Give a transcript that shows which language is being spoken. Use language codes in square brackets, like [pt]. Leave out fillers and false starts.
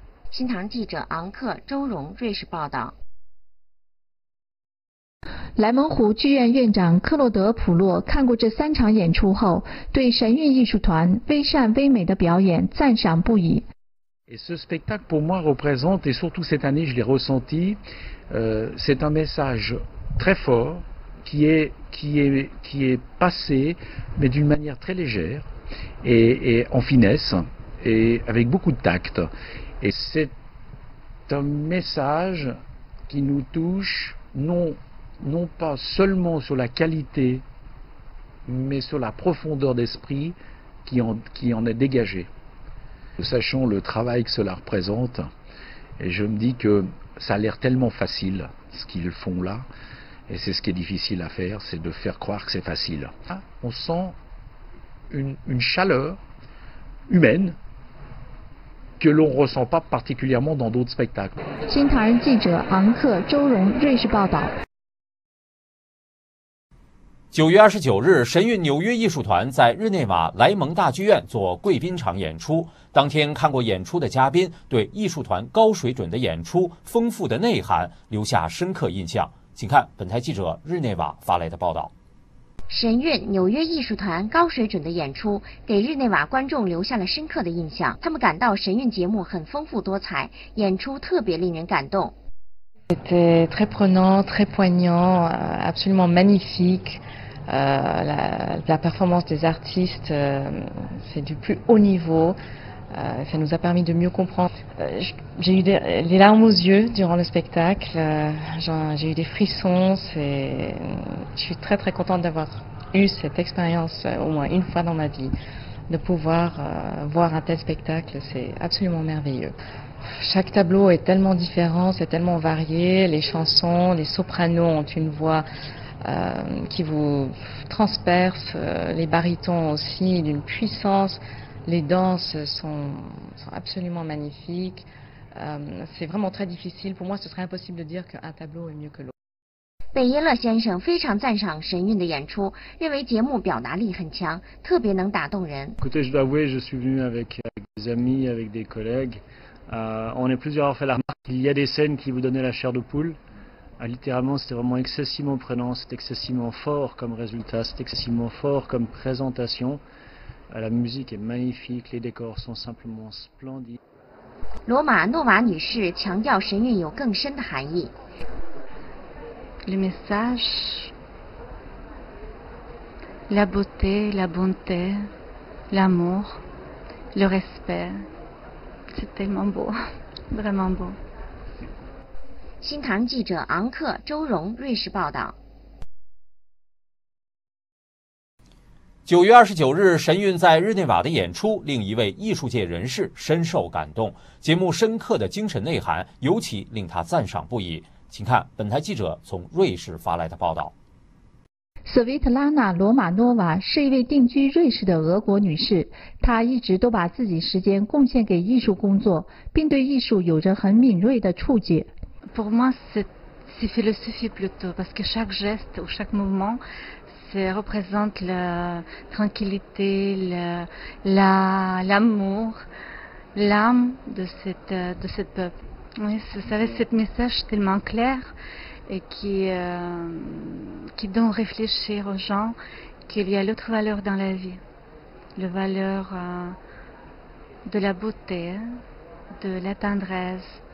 [zh] 新唐记者昂克周荣，瑞士报道。莱蒙湖剧院院长克洛德·普洛看过这三场演出后，对神韵艺术团微善微美的表演赞赏不已。 [fr] Et ce spectacle pour moi représente, et surtout cette année je l'ai ressenti, c'est un message très fort. qui est passé, mais d'une manière très légère et en finesse et avec beaucoup de tact. Et c'est un message qui nous touche non pas seulement sur la qualité, mais sur la profondeur d'esprit qui en est dégagée. Nous sachons le travail que cela représente. Et je me dis que ça a l'air tellement facile, ce qu'ils font là. Et c'est ce qui est difficile à faire, c'est de faire croire que c'est facile. On sent une chaleur humaine que l'on ne ressent pas particulièrement dans d'autres spectacles. [zh] 《新唐人》记者昂克、周荣，瑞士报道。 9月29日，神韵纽约艺术团在日内瓦莱蒙大剧院做贵宾场演出。当天看过演出的嘉宾对艺术团高水准的演出、丰富的内涵留下深刻印象。请看本台记者日内瓦发来的报道。神韵纽约艺术团高水准的演出给日内瓦观众留下了深刻的印象，他们感到神韵节目很丰富多彩，演出特别令人感动。 [fr] C'était très prenant, très poignant, absolument magnifique. La performance des artistes, c'est du plus haut niveau. Ça nous a permis de mieux comprendre. J'ai eu des larmes aux yeux durant le spectacle. J'ai eu des frissons. Je suis très très contente d'avoir eu cette expérience au moins une fois dans ma vie. De pouvoir voir un tel spectacle, c'est absolument merveilleux. Chaque tableau est tellement différent, c'est tellement varié. Les chansons, les sopranos ont une voix qui vous transperce, les barytons aussi d'une puissance. Les danses sont absolument magnifiques. C'est vraiment très difficile. Pour moi, ce serait impossible de dire qu'un tableau est mieux que l'autre. [zh] 贝耶勒先生非常赞赏神韵的演出，认为节目表达力很强，特别能打动人。 [fr] Écoutez, je dois avouer, je suis venu avec des amis, avec des collègues. On est plusieurs à avoir fait la remarque. Il y a des scènes qui vous donnaient la chair de poule. Littéralement, c'était vraiment excessivement prenant, c'est excessivement fort comme résultat, c'est excessivement fort comme présentation. La musique est magnifique, les décors sont simplement splendides. [zh] 罗马诺瓦女士强调神韵有更深的含义。 [fr] Le message, la beauté, la bonté, l'amour, le respect, c'est tellement beau, vraiment beau. [zh] 新唐记者昂克、周荣，瑞士报道。 9月29日，神韵在日内瓦的演出令一位艺术界人士深受感动，节目深刻的精神内涵尤其令他赞赏不已。请看本台记者从瑞士发来的报道。索维特拉娜·罗马诺瓦是一位定居瑞士的俄国女士，她一直都把自己时间贡献给艺术工作，并对艺术有着很敏锐的触觉。 [fr] Pour moi, c'est philosophie plutôt, parce que chaque geste ou chaque mouvement, c'est représente la tranquillité, l'amour, l'âme de cette peuple. Oui, vous savez, ce message tellement clair et qui donne réfléchir aux gens qu'il y a l'autre valeur dans la vie, la valeur de la beauté, de la tendresse.